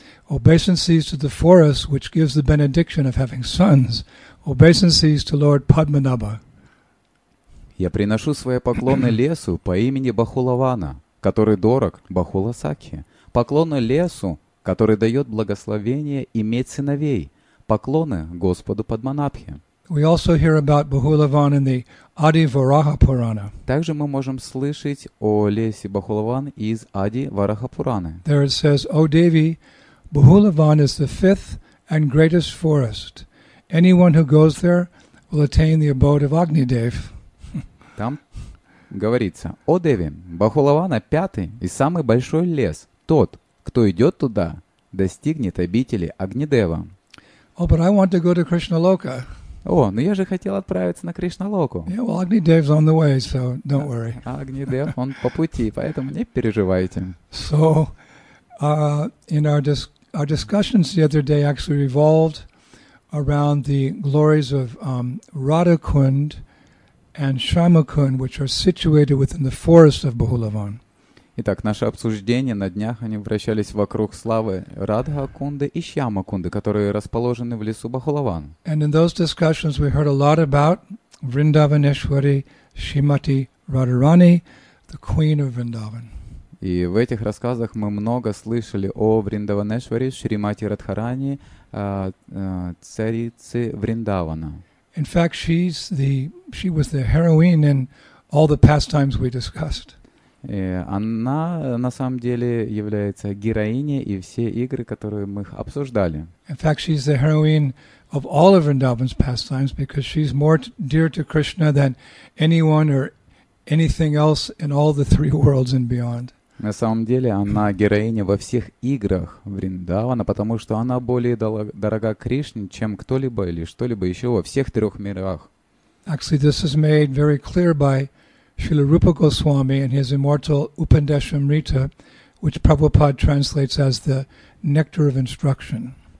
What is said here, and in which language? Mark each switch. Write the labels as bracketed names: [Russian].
[English] Obeisances to the forest which gives the benediction of having sons. Obeisances to Lord Padmanabha. [Russian] Я приношу свои поклоны лесу по имени Бахулавана, который дорог Бахула Саки. Поклоны лесу, который дает благословение иметь сыновей. Поклоны Господу Падманабхе. [English] We also hear about Bahulavan in the Adi Varaha Purana. [Russian] Также мы можем слышать о лесе Бахулаван из Ади Вараха Пураны. [English] There it says, O Devi, Bahulavan is the fifth and greatest forest. Anyone who goes there will attain the abode of Agnidev. [Russian] Там говорится, О Деви, Бахулавана пятый и самый большой лес. Тот, кто идет туда, достигнет обители Агнидева. [English] Oh, but I want to go to Krishna Loka. [Russian] О, ну я же хотел отправиться на Кришналоку. [English] Yeah, well, Agnidev's on the way, so don't worry. [Russian] Агнидев, он по пути, поэтому не переживайте. [English] So, in our discussions the other day actually revolved around the glories of Radhakund and Shyamakund, which are situated within the forest of Bahulavan. [Russian] Итак, наши обсуждения на днях, они вращались вокруг славы Радхакунды и Шьямакунды, которые расположены в лесу Бахулаван. [English] And in those discussions we heard a lot about Vrindavaneshwari Shrimati Radharani, the queen of Vrindavan. [Russian] И в этих рассказах мы много слышали о Вриндаванешвари Шримати Радхарани, царице Вриндавана. [English] In fact, she was the heroine in all the pastimes we discussed. [Russian] И она на самом деле является героиней и все игры, которые мы обсуждали. [English] In fact, she's the heroine of all of Vrindavan's pastimes because she's more dear to Krishna than anyone or anything else in all the three worlds and beyond. [Russian] На самом деле она героиня во всех играх Вриндавана, потому что она более дорога Кришне, чем кто-либо или что-либо еще во всех трех мирах. [English] Actually, this is made very clear by Srila Rupa Goswami and his immortal Upadeshamrita, which Prabhupada translates as the nectar of instruction.